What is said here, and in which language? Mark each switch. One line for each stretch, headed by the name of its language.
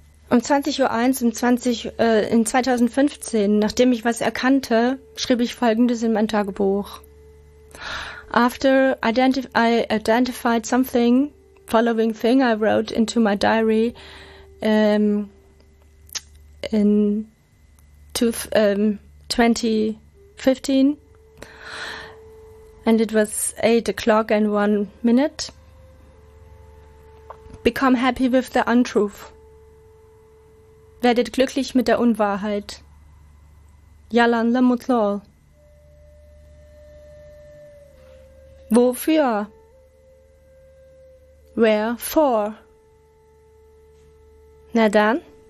German: Um 20:01 in 2015, nachdem ich was erkannte, schrieb ich Folgendes in mein Tagebuch.
English: After I identified something, following thing I wrote into my diary in 2015, and it was 8:00 and 1 minute, become happy with the untruth.
German: Werdet glücklich mit der Unwahrheit.
Turkish: Yalanla mutlu ol.
German: Wofür?
English: Where for?
German: Na dann?